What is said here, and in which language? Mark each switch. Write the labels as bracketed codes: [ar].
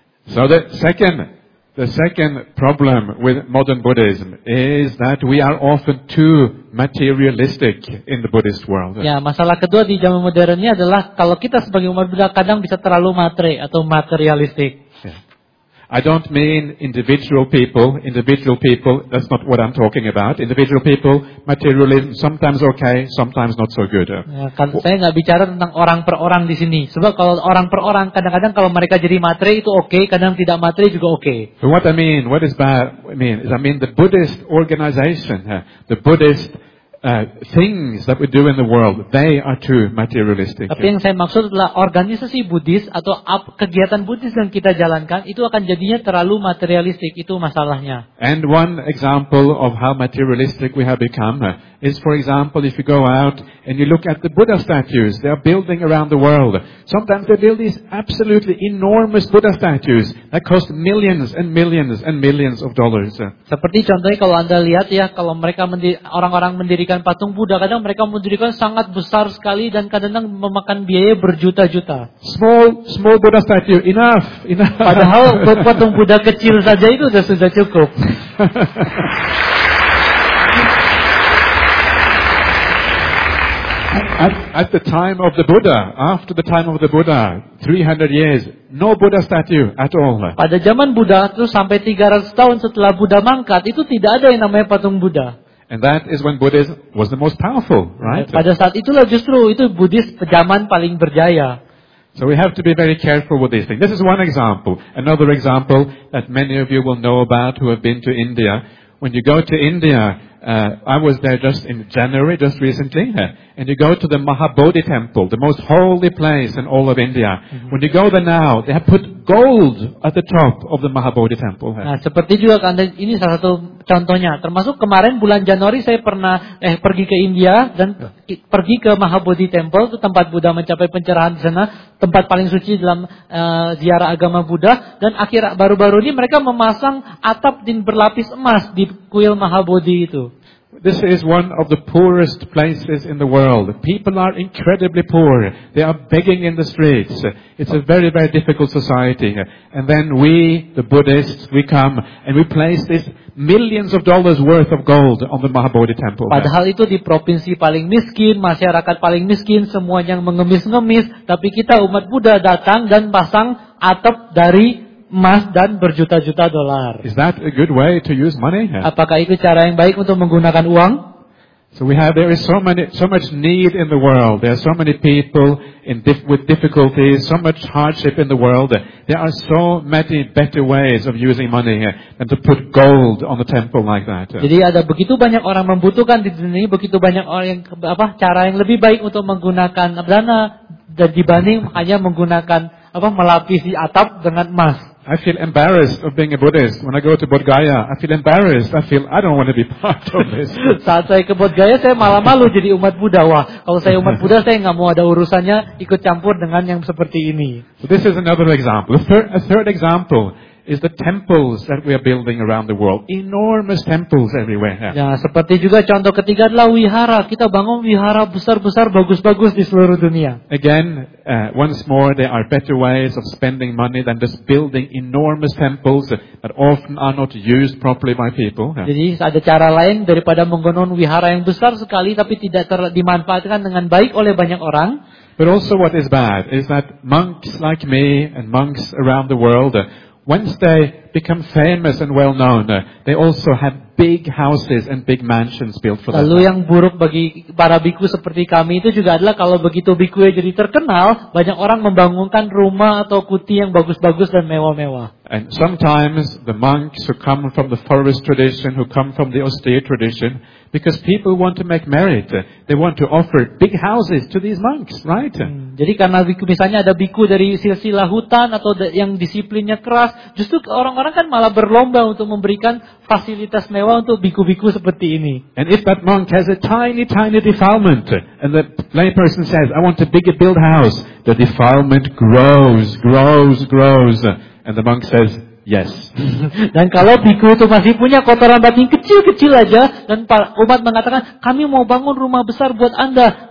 [en] So the second problem with modern Buddhism is that we are often too materialistic in the Buddhist world. [id] Ya, masalah kedua di zaman modern ini adalah kalau kita sebagai umat Buddha kadang bisa terlalu materi atau materialistik. [en] I don't mean individual people, that's not what I'm talking about. Individual people, materialism, sometimes okay, sometimes not so good. [id] Saya enggak bicara tentang orang per orang di sini. Sebab kalau orang per orang, kadang-kadang kalau mereka jadi materi itu okay, kadang tidak materi juga okay. [en] So what I mean, what is bad, I mean the Buddhist organization, the Buddhist things that we do in the world, they are too materialistic. [id] Tapi yang saya maksud adalah organisasi Buddhis atau kegiatan Buddhis yang kita jalankan itu akan jadinya terlalu materialistik, itu masalahnya. [en] And one example of how materialistic we have become is, for example, if you go out and you look at the Buddha statues they are building around the world. Sometimes they build these absolutely enormous Buddha statues that cost millions and millions and millions of dollars. [id] Seperti contohnya kalau Anda lihat ya, kalau mereka mendirikan patung Buddha, kadang mereka mendirikan sangat besar sekali dan kadang memakan biaya berjuta-juta. [en] Small Buddha statue, enough. [id] Padahal patung Buddha kecil saja itu sudah cukup. [en] At the time of the Buddha, after the time of the Buddha, 300 years, no Buddha statue at all. [id] Pada zaman Buddha, terus sampai 300 tahun setelah Buddha mangkat, itu tidak ada yang namanya patung Buddha. [en] And that is when Buddhism was the most powerful, right? [id] Pada saat itulah justru itu Buddhis zaman paling berjaya. [en] So we have to be very careful with these things. This is one example. Another example that many of you will know about who have been to India. When you go to India, I was there just in January, just recently. And you go to the Mahabodhi Temple, the most holy place in all of India. Mm-hmm. When you go there now, they have put gold at the top of the Mahabodhi Temple. [id] Nah, seperti juga kan, ini salah satu contohnya. Termasuk kemarin bulan Januari saya pernah pergi ke India dan pergi ke Mahabodhi Temple, itu tempat Buddha mencapai pencerahan di sana, tempat paling suci dalam ziarah agama Buddha. Dan akhir baru-baru ini mereka memasang atap din berlapis emas di kuil Mahabodhi itu. [en] This is one of the poorest places in the world. People are incredibly poor. They are begging in the streets. It's a very, very difficult society. And then we, the Buddhists, we come and we place this millions of dollars worth of gold on the Mahabodhi Temple. [id] Padahal itu di provinsi paling miskin, masyarakat paling miskin, semuanya yang mengemis-ngemis. Tapi kita umat Buddha datang dan pasang atap dari emas dan berjuta-juta dolar. [en] Is that a good way to use money? [id] Apakah itu cara yang baik untuk menggunakan uang? [en] So we have, there is so much need in the world. There are so many people with difficulties, so much hardship in the world. There are so many better ways of using money than to put gold on the temple like that. [id] Jadi ada begitu banyak orang membutuhkan di dunia ini, begitu banyak orang yang cara yang lebih baik untuk menggunakan dana dan dibanding hanya menggunakan melapisi atap dengan emas. [en] I feel embarrassed of being a Buddhist when I go to Bodh Gaya. I feel embarrassed. I feel I don't want to be part of this. [id] Saat saya ke Bodh Gaya, saya malu jadi umat Buddha. Wah, kalau saya umat Buddha, saya enggak mau ada urusannya ikut campur dengan yang seperti ini. [en] So this is another example. A third example is the temples that we are building around the world. Enormous temples everywhere. [id] Ya, seperti juga contoh ketiga adalah wihara. Kita bangun wihara besar-besar, bagus-bagus di seluruh dunia. [en] Again, once more, there are better ways of spending money than just building enormous temples that often are not used properly by people. [id] Jadi, ada cara lain daripada menggunakan wihara yang besar sekali tapi tidak dimanfaatkan dengan baik oleh banyak orang. [en] But also what is bad is that monks like me and monks around the world, once they become famous and well known, they also have big houses and big mansions built for them. [id] Lalu yang buruk bagi para biku seperti kami itu juga adalah kalau begitu biku ya jadi terkenal, banyak orang membangunkan rumah atau kuti yang bagus-bagus dan mewah-mewah. [en] And sometimes the monks who come from the forest tradition, who come from the austere tradition, because people want to make merit, they want to offer big houses to these monks, right? [id] Jadi karena misalnya ada biku dari silsilah hutan atau yang disiplinnya keras, justru orang-orang kan malah berlomba untuk memberikan fasilitas mewah untuk biku-biku seperti ini. [en] And if that monk has a tiny, tiny defilement, and the layperson says, I want a bigger build house, the defilement grows, grows, grows. And the monk says, yes. [id] Dan kalau biku itu masih punya kotoran batin kecil-kecil aja, dan umat mengatakan, kami mau bangun rumah besar buat Anda.